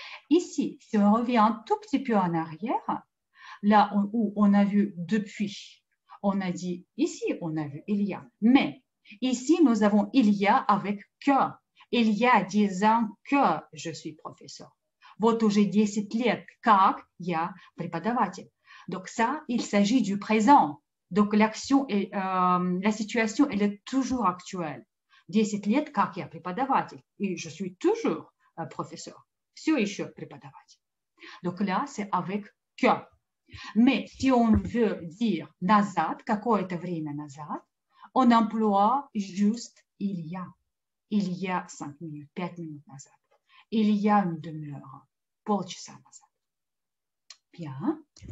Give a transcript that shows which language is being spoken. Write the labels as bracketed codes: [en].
[fr] Ici, si on revient un tout petit peu en arrière, là où on a vu depuis, on a dit ici, on a vu il y a. Mais ici, nous avons il y a avec que. Il y a 10 ans que je suis professeur. [ru] Вот уже 10 лет, как я преподаватель. [fr] Donc ça, il s'agit du présent. Donc l'action est, la situation, elle est toujours actuelle. [ru] 10 лет, как я преподаватель. [fr] Et je suis toujours professeur. [ru] Все еще преподаватель. [fr] Donc là, c'est avec que. Mais si on veut dire [ru] назад, какое-то время назад, [fr] on emploie juste il y a. Il y a 5 minutes, 5 minutes [ru] назад. [fr] Il y a une demi-heure, [ru] полчаса назад. [fr] Bien.